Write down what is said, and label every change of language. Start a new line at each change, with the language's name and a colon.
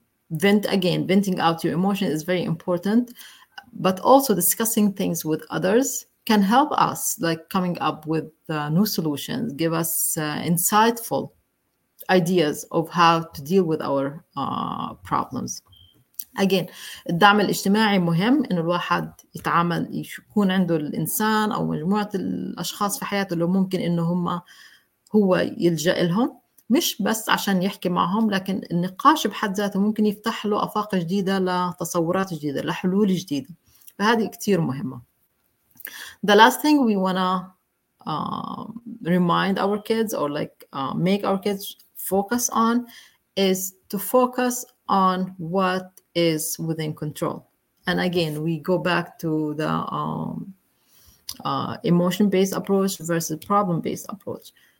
English: Venting out your emotion is very important, but also discussing things with others can help us, like coming up with new solutions, give us insightful ideas of how to deal with our problems. Again,
Arabic: الدعم الاجتماعي مهم, إنه الواحد يتعامل يكون عنده الإنسان أو مجموعة الأشخاص في حياته اللي ممكن إنه هو يلجأ لهم, مش بس عشان يحكي معهم, لكن النقاش بحد ذاته ممكن يفتح له أفاق جديدة لتصورات جديدة لحلول جديدة, فهذه كتير مهمة.
English: The last thing we wanna remind our kids or like make our kids focus on is to focus on what is within control. And again, we go back to the emotion-based approach versus problem-based approach.